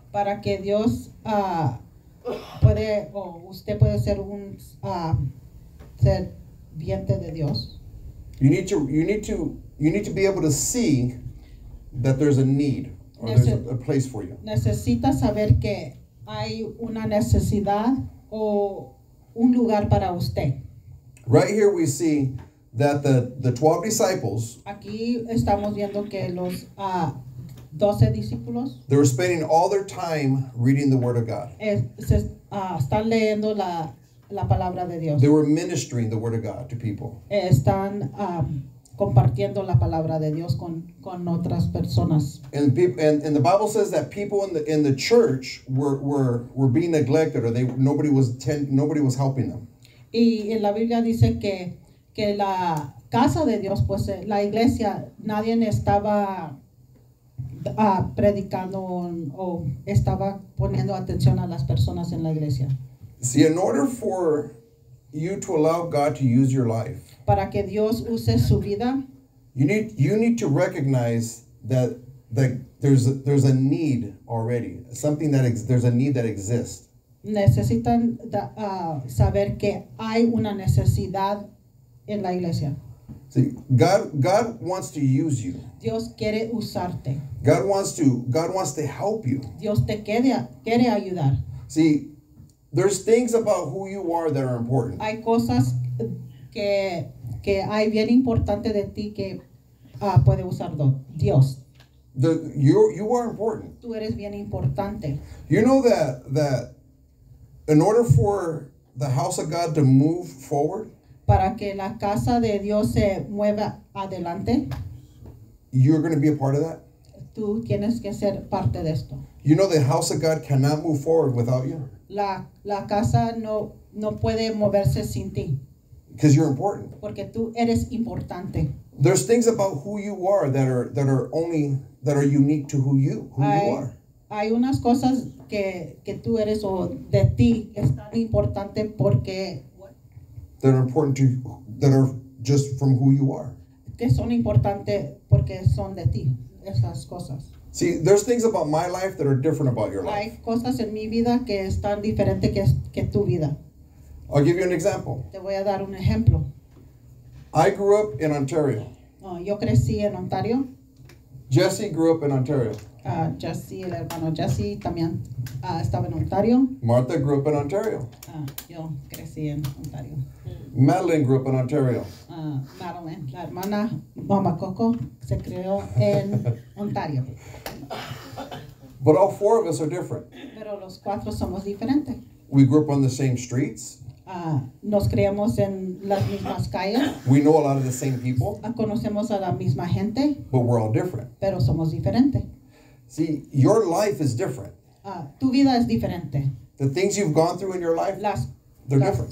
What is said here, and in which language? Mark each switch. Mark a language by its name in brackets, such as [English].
[Spanish] Para que Dios puede o usted puede ser un serviente de Dios. [English] You need to be able to see that there's a need or there's a place for you. [Spanish] Necesita saber que hay una necesidad o un lugar para usted. [English] Right here we see that the 12 disciples, [Spanish] aquí estamos viendo que los 12 discípulos, [English] they were spending all their time reading the word of God. [Spanish] Están leyendo la palabra de Dios. [English] They were ministering the word of God to people. [Spanish] Están compartiendo la palabra de Dios con otras personas. [English] And the Bible says that people in the church were being neglected, or nobody was helping them. [Spanish] Y en la Biblia dice que la casa de Dios, pues la iglesia, nadie estaba predicando o estaba poniendo atención a las personas en la iglesia. [English] See, in order for you to allow God to use your life, [Spanish] para que Dios use su vida, [English] you need to recognize that there's a need already, something that there's a need that exists. [Spanish] Necesitan saber que hay una necesidad en la iglesia. [English] See, God wants to use you. [Spanish] Dios quiere usarte. [English] God wants to help you. [Spanish] Dios te quiere ayudar. [English] See, there's things about who you are that are important. [Spanish] Hay cosas que hay bien importante de ti que puede usar Dios. [English] You are important. [Spanish] Tú eres bien importante. [English] You know that in order for the house of God to move forward, [Spanish] para que la casa de Dios se mueva adelante, [English] you're going to be a part of that. [Spanish] tú tienes que ser parte de esto. [English] You know the house of God cannot move forward without you. [Spanish] La casa no puede moverse sin ti. [English] Because you're important. [Spanish] Porque tú eres importante. [English] There's things about who you are that are unique to who you are. [Spanish] Hay unas cosas que tú eres o de ti es tan importante porque [English] that are important to you, that are just from who you are. [Spanish] Que son importante porque son de ti esas cosas. [English] See, there's things about my life that are different about your life. [Spanish] Hay cosas en mi vida que están diferente que tu vida. [English] I'll give you an example. [Spanish] Te voy a dar un ejemplo. [English] I grew up in Ontario. [Spanish] No, yo crecí en Ontario. [English] Jesse grew up in Ontario. [Spanish] Jesse, el hermano Jesse, también estaba en Ontario. [English] Martha grew up in Ontario. [Spanish] Yo crecí en Ontario. [English] Madeline grew up in Ontario. [Spanish] Madeline, la hermana Mama Coco, se creó en Ontario. [English] But all four of us are different. [Spanish] Pero los cuatro somos diferentes. [English] We grew up on the same streets. [Spanish] Nos creamos en las mismas calles. [English] We know a lot of the same people. [Spanish] Conocemos a la misma gente. [English] But we're all different. [Spanish] Pero somos diferentes. [English] See, your life is different. [Spanish] Tu vida es diferente. [English] The things you've gone through in your life, they're different.